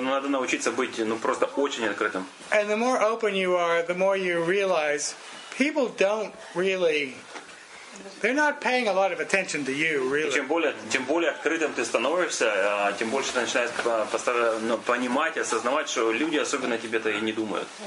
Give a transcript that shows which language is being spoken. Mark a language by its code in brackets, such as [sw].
[ru] Надо научиться быть, ну, просто очень открытым. [en] And the more open you are, the more you realize people don't really. They're not paying a lot of attention to you, really. [ru] И чем более открытым ты становишься, тем больше ты начинаешь понимать, осознавать, что люди особенно тебе-то и не думают.